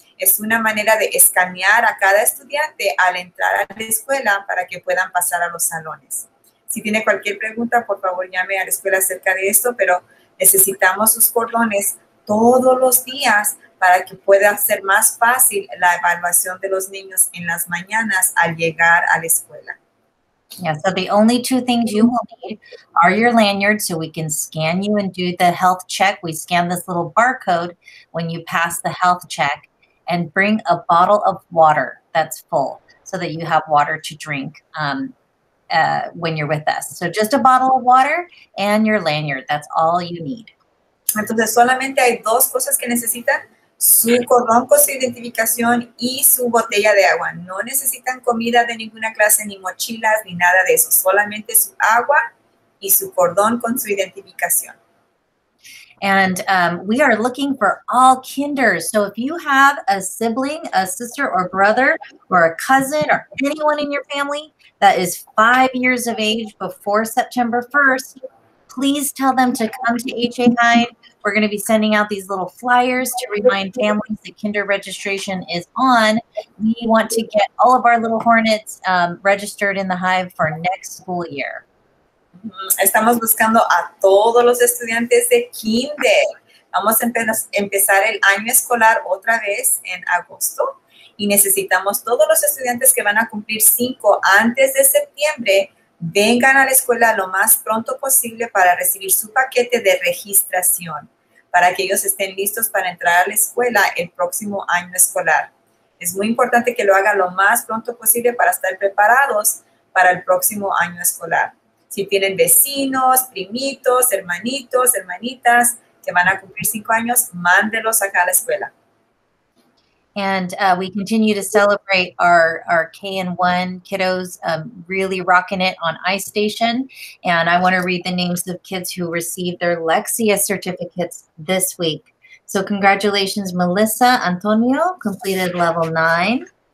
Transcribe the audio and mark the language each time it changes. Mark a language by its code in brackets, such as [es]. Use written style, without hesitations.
[es] Es una manera de escanear a cada estudiante al entrar a la escuela para que puedan pasar a los salones. Si tiene cualquier pregunta, por favor, llame a la escuela acerca de esto, pero necesitamos sus cordones todos los días para que pueda ser más fácil la evaluación de los niños en las mañanas al llegar a la escuela. [en] Yeah, so the only two things you will need are your lanyard so we can scan you and do the health check. We scan this little barcode when you pass the health check, and bring a bottle of water that's full so that you have water to drink when you're with us. So just a bottle of water and your lanyard. That's all you need. [es] Entonces, solamente hay dos cosas que necesitan. Su cordón con su identificación y su botella de agua. No necesitan comida de ninguna clase, ni mochilas, ni nada de eso. Solamente su agua y su cordón con su identificación. [en] And we are looking for all kinders. So if you have a sibling, a sister or brother, or a cousin, or anyone in your family that is 5 years of age before September 1st, please tell them to come to HA9 We're going to be sending out these little flyers to remind families that kinder registration is on. We want to get all of our little hornets registered in the hive for next school year. [es] Estamos buscando a todos los estudiantes de kinder. Vamos a empezar el año escolar otra vez en agosto. Y necesitamos todos los estudiantes que van a cumplir 5 antes de septiembre, vengan a la escuela lo más pronto posible para recibir su paquete de registración, para que ellos estén listos para entrar a la escuela el próximo año escolar. Es muy importante que lo hagan lo más pronto posible para estar preparados para el próximo año escolar. Si tienen vecinos, primitos, hermanitos, hermanitas que van a cumplir 5 años, mándelos acá a la escuela. [en] And we continue to celebrate our K-1 kiddos really rocking it on iStation. And I want to read the names of kids who received their Lexia certificates this week. So congratulations, Melissa Antonio completed level 9.